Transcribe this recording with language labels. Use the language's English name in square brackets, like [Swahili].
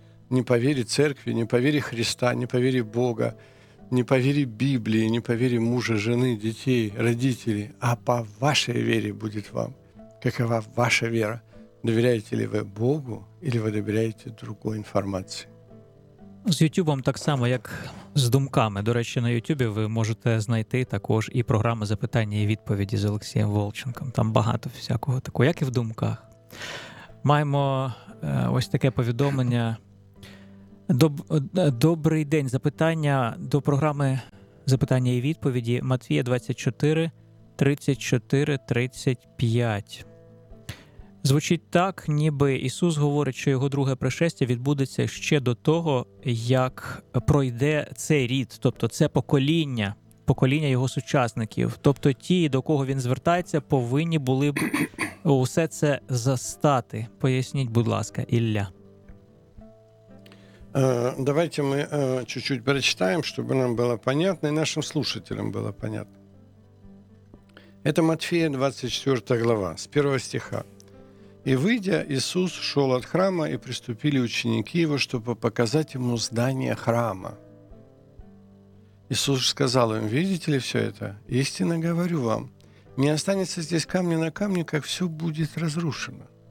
[Russian] Не по вере церкви, не по вере Христа, не по вере Бога, не по вере Библии, не по вере мужа, жены, детей, родителей, а по вашей вере будет вам. Какова ваша вера? Доверяете ли вы Богу или вы доверяете другой інформації? [Ukrainian] З Ютубом так само, як з думками. До речі, на Ютубі ви можете знайти також і програму «Запитання і відповіді» з Олексієм Волченком. Там багато всякого такого, як і в думках. Маємо ось таке повідомлення. Добрий день. Запитання до програми «Запитання і відповіді». Матвія 24, 34, 35. Звучить так, ніби Ісус говорить, що його друге пришестя відбудеться ще до того, як пройде цей рід, тобто це покоління, покоління його сучасників. Тобто ті, до кого він звертається, повинні були б усе це застати. Поясніть, будь ласка, Ілля. [Russian] Давайте ми чуть-чуть перечитаємо, щоб нам було понятно і нашим слушателям було понятно. Это Матфея, 24 глава, з 1 стиха. «И, выйдя, Иисус шел от храма, и приступили ученики Его, чтобы показать Ему здание храма. Иисус сказал им: видите ли все это? Истинно говорю вам, не останется здесь камня на камне, как все будет разрушено.